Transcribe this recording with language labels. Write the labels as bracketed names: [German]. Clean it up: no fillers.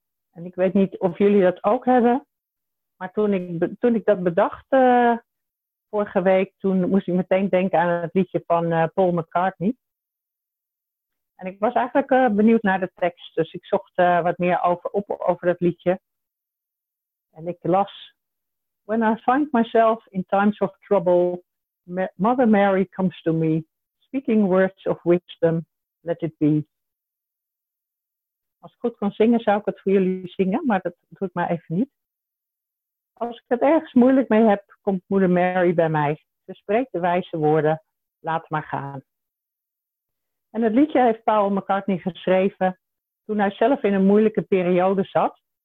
[Dutch] En ik weet niet of jullie dat ook hebben, maar toen ik dat bedacht vorige week, toen moest ik meteen denken aan het liedje van Paul McCartney. En ik was eigenlijk benieuwd naar de tekst, dus ik zocht wat meer over dat liedje. En ik las: [English] When I find myself in times of trouble, Mother Mary comes to me. Speaking words of wisdom, let it be. [Dutch] Als ik goed kan zingen, zou ik het voor jullie zingen, maar dat doe ik maar even niet. Als ik het ergens moeilijk mee heb, komt Moeder Mary bij mij. Ze spreekt de wijze woorden, laat maar gaan. En het liedje heeft Paul McCartney geschreven toen hij zelf in een moeilijke periode zat.